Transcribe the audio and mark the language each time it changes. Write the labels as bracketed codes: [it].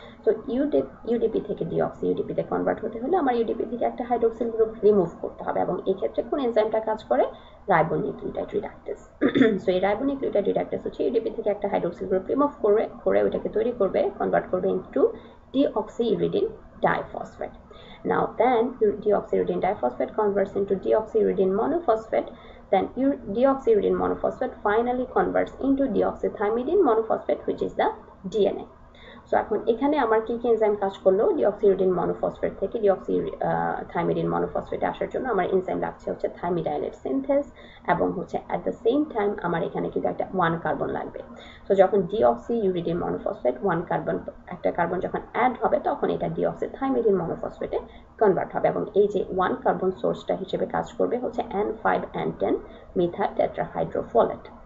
[bn] So UDP থেকে deoxy ইউডিপিতে convert হতে হলে আমার ইউডিপি থেকে একটা হাইড্রোক্সিল গ্রুপ রিমুভ করতে হবে, এবং এই ক্ষেত্রে কোন এনজাইমটা কাজ করে? Ribonucleotide reductase. সো এই রাইবোনিউক্লিওটাইড রিডাক্টেস হচ্ছে ইউডিপি থেকে একটা হাইড্রোক্সিল গ্রুপ রিমুভ করে করে ওইটাকে তৈরি করবে, কনভার্ট করবে into ডিঅক্সিইউরিডিন diphosphate. [en] Now then deoxyridine diphosphate converts into deoxyridine monophosphate, then deoxyridine monophosphate finally converts into deoxythymidine monophosphate, which is the DNA. [bn] So এখন এখানে আমার কি কি এনজাইম কাজ করলো? ডিঅক্সিউরিডিন মনোফসফেট থেকে ডিঅক্সিথাইমিডিন মনোফসফেট আসার জন্য আমার এনজাইম লাগছে হচ্ছে থাইমিডাইলেট সিনথেস, এবং হচ্ছে [en] at the same time [bn] আমার এখানে কিন্তু একটা ওয়ান কার্বন লাগবে। সো যখন ডিঅক্সিউরিডিন মনোফসফেট ওয়ান কার্বন একটা কার্বন যখন অ্যাড হবে তখন এটা ডিঅক্সিথাইমিডিন মনোফসফেটে কনভার্ট হবে, এবং এই যে ওয়ান কার্বন সোর্সটা হিসেবে কাজ করবে হচ্ছে N5N10 মিথাইল টেট্রাহাইড্রোফোলেট।